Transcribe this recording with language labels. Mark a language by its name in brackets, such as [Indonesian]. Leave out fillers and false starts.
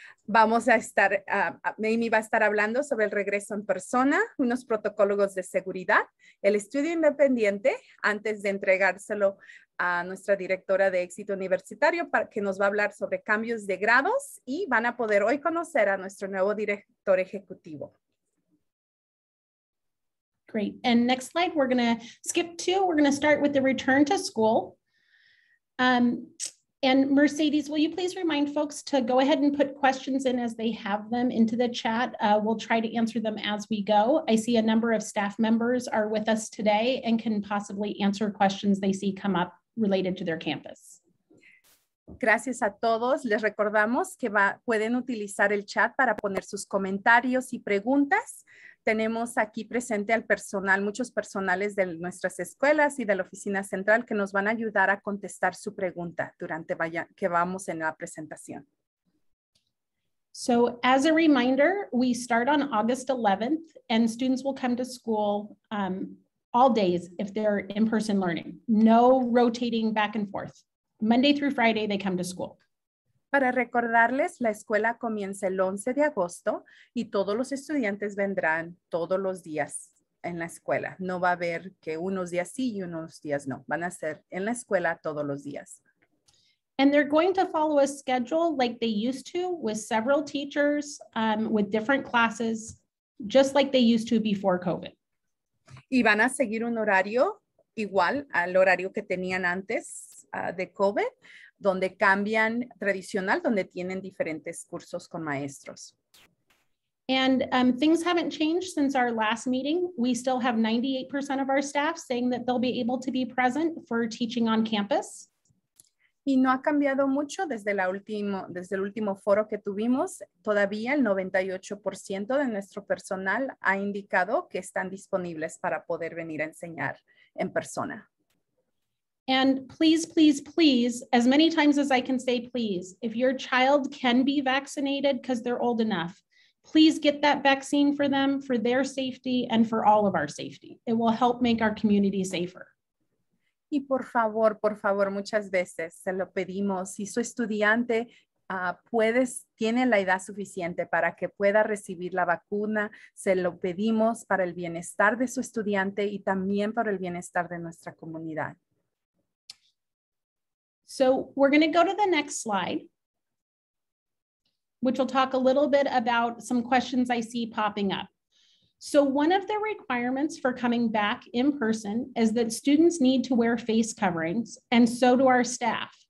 [Spanish] Vamos a estar, Amy va a estar hablando sobre el regreso en persona, unos protocolos de seguridad, el estudio independiente, antes de entregárselo a nuestra directora de éxito universitario, para que nos va a hablar sobre cambios de grados y van a poder hoy conocer a nuestro nuevo director ejecutivo. [English] Great. And next slide, we're going to skip two. We're going to start with the return to school. And Mercedes, will you please remind folks to go ahead and put questions in as they have them into the chat. We'll try to answer them as we go. I see a number of staff members are with us today and can possibly answer questions they see come up related to their campus. [Spanish] Gracias a todos. Les recordamos que pueden utilizar el chat para poner sus comentarios y preguntas. Tenemos aquí presente al personal, muchos personales de nuestras escuelas y de la oficina central que nos van a ayudar a contestar su pregunta durante que vamos en la presentación. [English] So as a reminder, we start on August 11th and students will come to school all days if they're in-person learning. No rotating back and forth. Monday through Friday, they come to school. [Spanish] Para recordarles, la escuela comienza el 11 de agosto y todos los estudiantes vendrán todos los días en la escuela. No va a haber que unos días sí y unos días no. Van a ser en la escuela todos los días. [English] And they're going to follow a schedule like they used to with several teachers, with different classes, just like they used to before COVID. [Spanish] Y van a seguir un horario igual al horario que tenían antes de COVID, donde cambian tradicional, donde tienen diferentes cursos con maestros. [English] And things haven't changed since our last meeting. We still have 98% of our staff saying that they'll be able to be present for teaching on campus. [Spanish] Y no ha cambiado mucho desde el último foro que tuvimos. Todavía el 98% de nuestro personal ha indicado que están disponibles para poder venir a enseñar en persona. [English] And please, please, please, as many times as I can say please, if your child can be vaccinated because they're old enough, please get that vaccine for them, for their safety, and for all of our safety. It will help make our community safer. [Spanish] Y por favor, muchas veces se lo pedimos. Si su estudiante tiene la edad suficiente para que pueda recibir la vacuna, se lo pedimos para el bienestar de su estudiante y también para el bienestar de nuestra comunidad. [English] So we're going to go to the next slide, which will talk a little bit about some questions I see popping up. So one of the requirements for coming back in person is that students need to wear face coverings, and so do our staff.